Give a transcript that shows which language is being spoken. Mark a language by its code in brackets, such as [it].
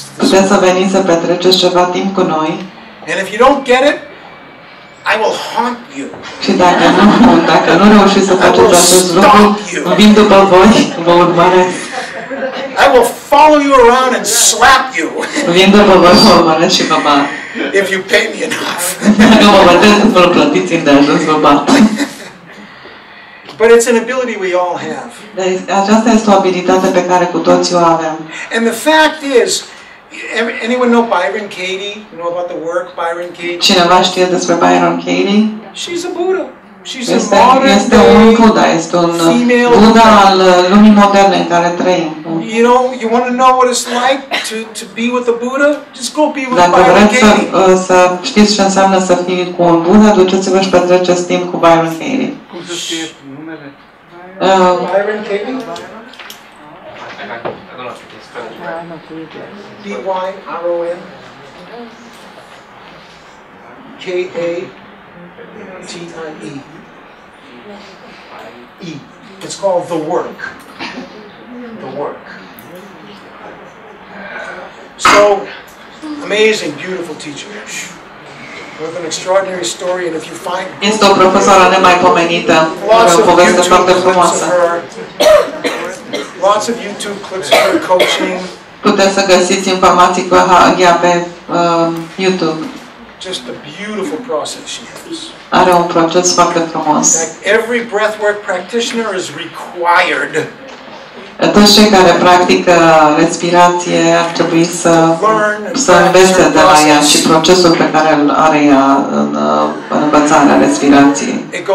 [ro] Puteți să veniți să petreceți ceva timp cu noi. [en] And if you don't get it, I will haunt you. [ro] Și dacă nu reușiți să faceți acest lucru, vin după voi, vă urmăresc. [en] I will follow you around and slap you. If you pay me enough. But it's an ability we all have. [ro] Aceasta este o abilitate pe care cu toți o avem. [en] And the fact is, anyone know Byron Katie? You know about the work Byron Katie? [ro] Cineva știe despre Byron Katie? [en] She's a Buddha. [ro] Este un Buddha, este un Buddha al lumii moderne în care trăim. [en] You know, you want to know what it's like to be with a Buddha? Just go be with Byron Katie. [ro] Dacă vreți să știți ce înseamnă să fii cu un Buddha, duceți-vă și petreceți timp cu Byron Katie. Cum se știe numele? Byron Katie? [en] B-Y-R-O-N K-A T-I-E. E. It's called the work. The work. so amazing, beautiful teacher. With an extraordinary story, and if you find [ro] este o profesoară nemaipomenită, o poveste foarte frumoasă. [en] Lots of YouTube clips of her coaching. [ro] Puteți să găsiți informații cu ea pe YouTube. [en] Just a beautiful process she has. [ro] Are un proces foarte frumos. [en] Every breathwork practitioner is required. [ro] Toți cei care practică respirație ar trebui să învețe de la ea și procesul pe care îl are ea în învățarea respirației.